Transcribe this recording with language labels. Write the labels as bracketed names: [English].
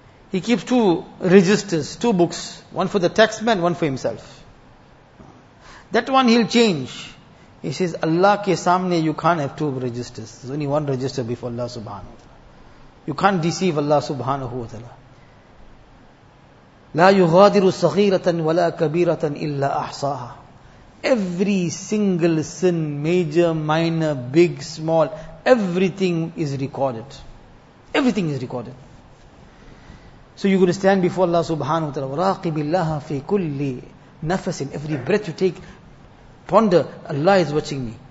[English] He keeps two registers, two books, one for the taxman, one for himself. That one he'll change. He says, [Urdu] Allah ke samne [English] you can't have two registers. There's only one register before Allah subhanahu wa ta'ala. You can't deceive Allah subhanahu wa ta'ala. [Arabic] لا يغادر صغيرة ولا كبيرة إلا أحصاها. [English] Every single sin, major, minor, big, small, everything is recorded. Everything is recorded. So you're going to stand before Allah subhanahu wa ta'ala. [Arabic] وراقب الله في كل نفس. [English] Every breath you take, ponder, Allah is watching me.